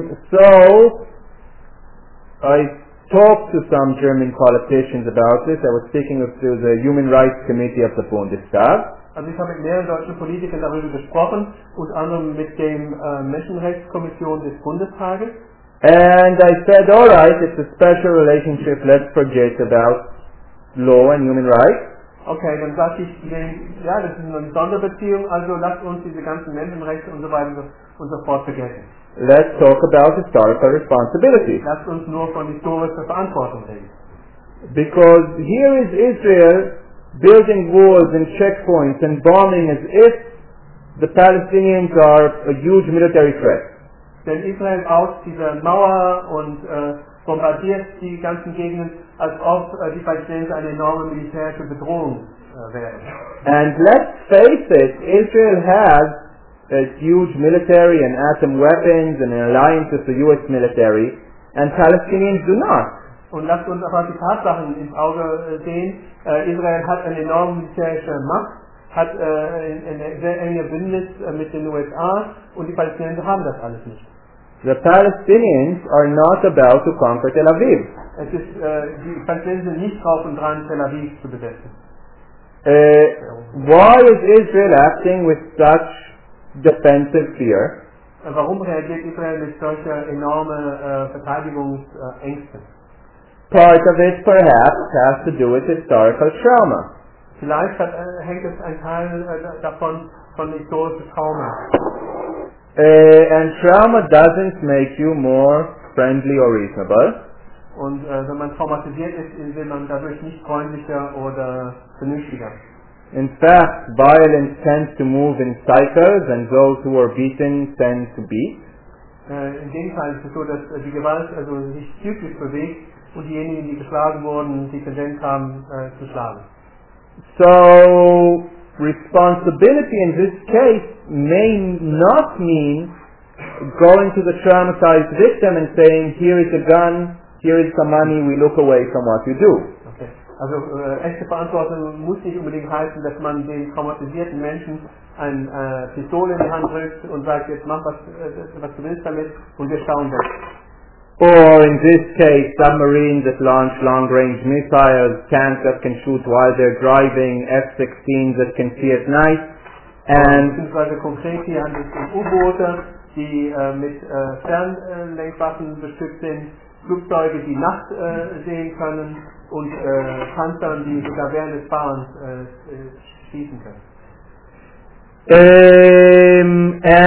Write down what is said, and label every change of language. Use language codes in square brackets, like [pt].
[en] So, I talked to some German politicians about this. I was speaking to the Human Rights Committee of the Bundestag. [de] Also ich habe mit mehreren deutschen Politikern darüber gesprochen, unter anderem mit dem Menschenrechtskommission des Bundestages. [en] And I said, all right, it's a special relationship, let's forget about law and human rights. [de] Okay, dann sage ich denen, ja, das ist eine Sonderbeziehung, also lasst uns diese ganzen Menschenrechte und so weiter und so fort vergessen. [en] Let's talk about historical responsibility. [de] Lasst uns nur von historischer Verantwortung reden. [en] Because here is Israel building walls and checkpoints and bombing as if the Palestinians are a huge military threat. [de] Denn Israel baut diese Mauer und bombardiert die ganzen Gegenden, als ob die Palästinenser eine enorme militärische Bedrohung wären. [en] And let's face it, Israel has a huge military and atom weapons and an alliance with the US military, and Palestinians do not. [de] Und lasst uns aber die Tatsachen ins Auge sehen. Israel hat eine enorme militärische Macht, hat eine sehr enge Bündnis mit den USA, und die Palästinenser haben das alles nicht. [en] The Palestinians are not about to conquer Tel Aviv. [de] Es ist, die Palästinenser sind nicht drauf und dran, Tel Aviv zu besetzen. [en] Why is Israel acting with such defensive fear? [de] Warum reagiert Israel mit solcher enormen Verteidigungsängsten? [en] Part of it, perhaps, has to do with historical trauma. [de] Vielleicht hängt es ein Teil davon von historischem Trauma. [en] And trauma doesn't make you more friendly or reasonable. [de] Und wenn man traumatisiert ist, ist man dadurch nicht freundlicher oder vernünftiger. [en] In fact, violence tends to move in cycles, and those who are beaten tend to beat. [de] In dem Fall ist es so, dass die Gewalt also sich zyklisch bewegt, und diejenigen, die geschlagen wurden, die Tendenz haben, zu schlagen. [en] So, responsibility in this case may not mean going to the traumatized victim and saying, here is a gun, here is some money, we look away from what you do. Okay. [de] Also, echte Verantwortung muss nicht unbedingt heißen, dass man den traumatisierten Menschen eine Pistole in die Hand drückt und sagt, jetzt mach was du willst damit, und wir schauen weg. [en] Or in this case, submarines that launch long-range missiles, tanks that can shoot while they're driving, F-16s that can see at night, and [de] beziehungsweise konkret hier handelt es um U-Boote, die mit Fernlenkwaffen bestückt sind, Flugzeuge, die Nacht sehen können, und Panzern, die sogar während des Fahrens schießen können.